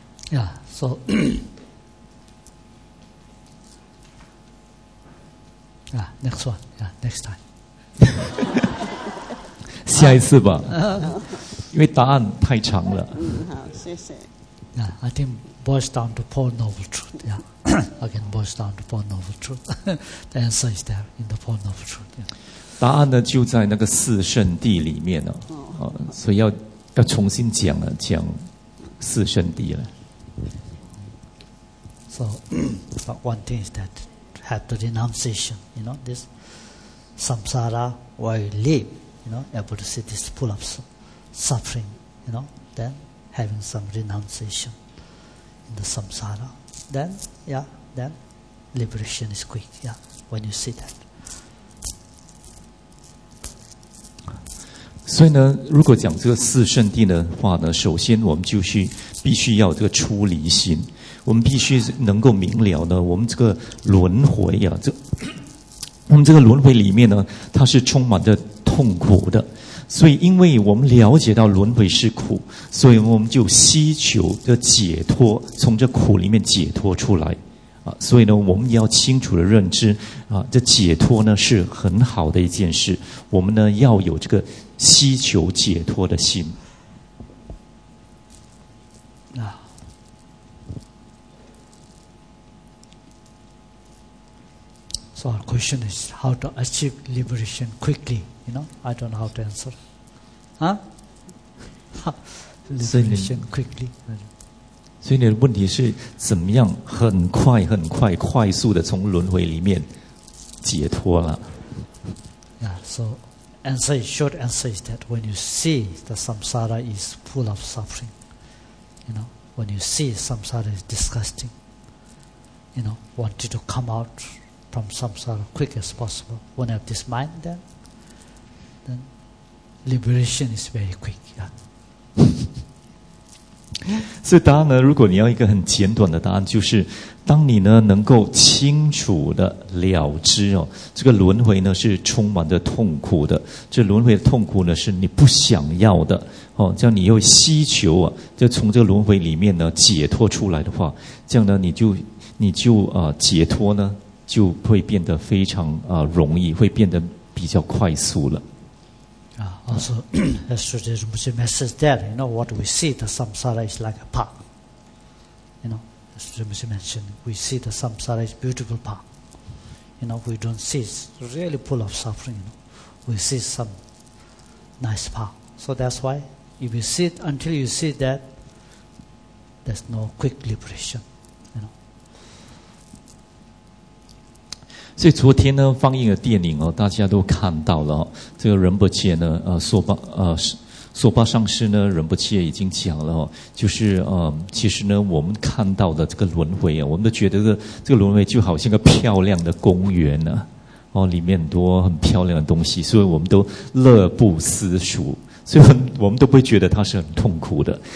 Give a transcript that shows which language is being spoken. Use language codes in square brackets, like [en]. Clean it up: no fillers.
[en] Yeah, so... next one, yeah, next time. [zh] 下一次吧，因为答案太长了。好，谢谢。 [en] Yeah, I think boils down to Four Noble Truths. Yeah, again, boils down to Four Noble Truths. The answer is there in the Four Noble Truths. Yeah. [zh] 答案呢就在那个四圣谛里面了。哦，所以要重新讲了，讲四圣谛了。 [en] So, but one thing is that. Have the renunciation, you know, this samsara where you live, you know, able to see this full of suffering, you know, then having some renunciation in the samsara, then, yeah, then liberation is quick, yeah, when you see that. [zh] 所以呢，如果讲这个四圣谛的话呢，首先我们就是必须要这个出离心。我们必须能够明了呢，我们这个轮回啊，我们这个轮回里面呢，它是充满着痛苦的。所以，因为我们了解到轮回是苦，所以我们就希求的解脱，从这苦里面解脱出来啊。所以呢，我们要清楚的认知啊，这解脱呢是很好的一件事。我们呢要有这个希求解脱的心。 [en] So our question is how to achieve liberation quickly, you know? I don't know how to answer. Liberation quickly. [zh] 所以你的问题是怎么样很快很快快速的从轮回里面解脱了。 [en] Yeah, so answer, short answer is that when you see the samsara is full of suffering, you know, when you see samsara is disgusting, you know, want it to come out,from samsara quick as possible. When I have this mind, then liberation is very quick. Yeah. [zh] 所以答案呢，如果你要一个很简短的答案，就是当你呢能够清楚的了知哦，这个轮回呢是充满着痛苦的，这轮回的痛苦呢是你不想要的哦，这样你又希求啊，就从这个轮回里面呢解脱出来的话，这样呢你就解脱呢。就会变得非常容易，会变得比较快速了。 [en] Also, as Sri Rinpoche messes there, you know what we see the samsara is like a park. You know, as Sri Rinpoche mentioned, we see the samsara is beautiful park. You know, we don't see it's really full of suffering. You know, we see some nice park. So that's why if you see it, until you see that, there's no quick liberation. [zh] 所以昨天呢放映的电影哦，大家都看到了、哦、这个仁波切呢索巴上师呢仁波切已经讲了、哦、就是其实呢我们看到的这个轮回啊，我们都觉得这个轮回就好像个漂亮的公园呢、啊、哦里面很多很漂亮的东西，所以我们都乐不思蜀，所以我们都不会觉得它是很痛苦的。